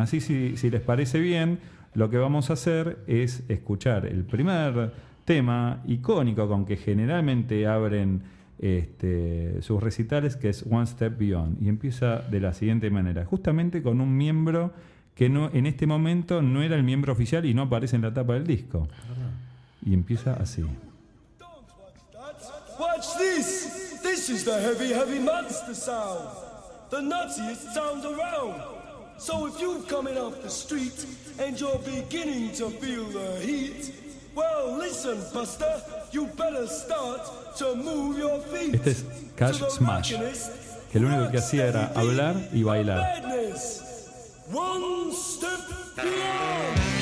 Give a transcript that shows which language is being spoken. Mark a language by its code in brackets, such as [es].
[es] Así, si les parece bien, lo que vamos a hacer es escuchar el primer tema icónico con que generalmente abren sus recitales, que es One Step Beyond. Y empieza de la siguiente manera, justamente con un miembro que no, en este momento no era el miembro oficial y no aparece en la tapa del disco. Y empieza así. [en] Watch this. This is the heavy, heavy monster sound. The nuttiest sound around. So if you're coming off the street and you're beginning to feel the heat, well, listen, Buster, you better start to move your feet. [es] Este es Cash Smash, que lo único que hacía era hablar y bailar. [en] One step beyond.